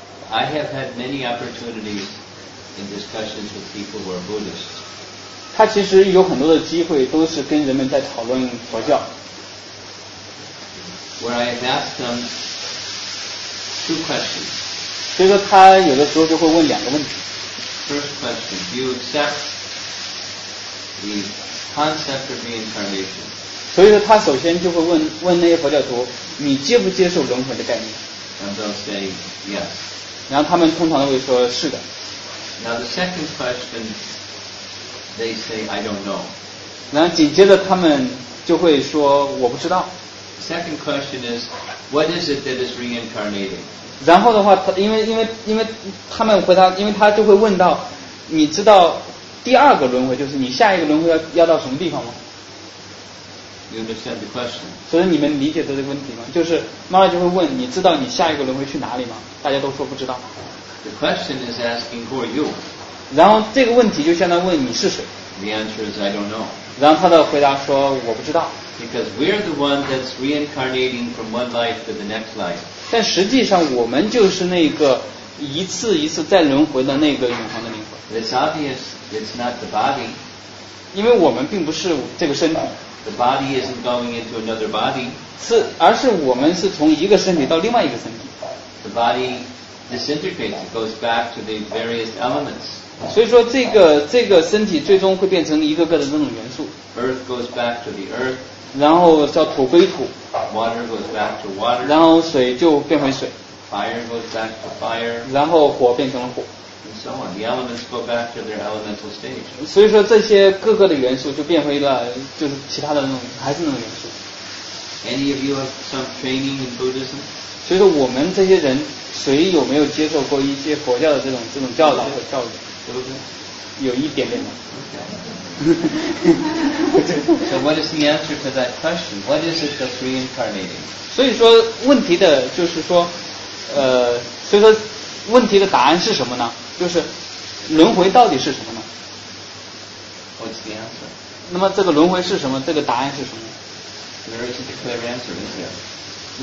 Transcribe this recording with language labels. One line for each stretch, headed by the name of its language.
English: I have had many opportunities in discussions with people who are Buddhist.
Chinese: 他其实有很多的机会都是跟人们在讨论佛教。
English: Where I have asked them two questions.
Chinese: 所以说他有的时候就会问两个问题。
English: First question, do you accept the concept of reincarnation?
Chinese: 所以说他首先就会问那些佛教徒，你接不接受轮回的概念？
English: And they'll say yes.
Chinese: 然后他们通常都会说是的。
English: Now the second question, they say I don't know.
Chinese: 然后紧接着他们就会说我不知道。
English: The second question is, what is it that is reincarnating?
Chinese: 然后的话，因为他们回答，因为他就会问到，你知道第二个轮回就是你下一个轮回要到什么地方吗？
English: You understand the question.
Chinese: 所以你们理解的这个问题吗？就是妈妈就会问，你知道你下一个轮回去哪里吗？大家都说不知道。
English: The question is asking who are you.
Chinese: 然后这个问题就相当于问你是谁。
English: The answer is I don't know.
Chinese: 然后他的回答说我不知道。
English: Because we're the one that's reincarnating from one life to the next life.
Chinese: 但实际上我们就是那个一次一次再轮回的那个永恒的灵魂。
English: It's obvious it's not the body.
Chinese: 因为我们并不是这个身体。
English: The body isn't going into another body.
Chinese: 是，而是我们是从一个身体到另外一个身体。
English: The body disintegrates, it goes back to the various elements.
Chinese: 所以说这个身体最终会变成一个个的那种元素。
English: Earth goes back to the earth.
Chinese: 然后叫土归土。
English: Water goes back to water.
Chinese: 然后水就变回水。
English: Fire goes back to fire.
Chinese: 然后火变成了火。
English: And so on. The elements go back to their elemental stage.
Chinese: 所以说这些各个的元素就变回了就是其他的那种还是那种元素。
English: Any of you have some training in Buddhism?
Chinese: 所以说我们这些人谁有没有接受过一些佛教的这种教导和教育，对不对？有一点点吗？
English: So what is the answer to that question? What is it that's reincarnating?
Chinese: 所以说问题的就是说所以说问题的答案是什么呢？就是轮回到底是什么呢？
English: What's the answer?
Chinese: 那么这个轮回是什么？这个答案是什么？
English: There is a clear answer in here.